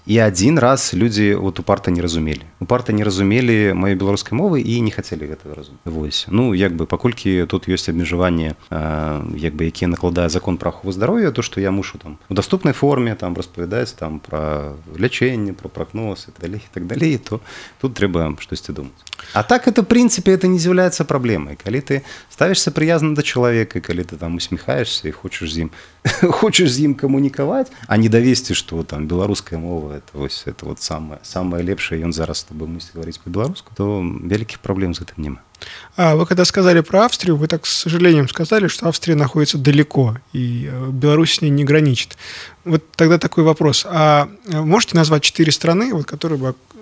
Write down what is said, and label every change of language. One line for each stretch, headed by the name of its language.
Belarusian: І адзін раз людзі от упарта не разумелі. Упарта не разумелі маёй беларускай мовы і не хацелі гэтага разумець. Вось. Ну, як бы, паколькі тут ёсць абмежаванне, як бы, якія накладае закон пра ахову здароўя, то што я мушу там у даступнай форме там распавядаць там пра лячэнне, пра прагноз і так далей, то тут трэба штосьці думаць.
Russian: А так это, в принципе, это
Belarusian: не з'яўляецца праблемай. Калі ты ставішся прыязна да чалавека, калі ты там усміхаешся і хочаш з ім камунікаваць, а не давесці, што там беларуская мова это вот самае лепшае, ён зараз з табой мусіць гаварыць па-беларуску, то вялікіх праблем з гэтым няма.
Russian: А вы когда сказали про Австрию, вы так с сожалением сказали, что Австрия находится далеко, и Беларусь с ней не граничит. Вот тогда такой вопрос. А можете назвать четыре страны, вот, которые бы...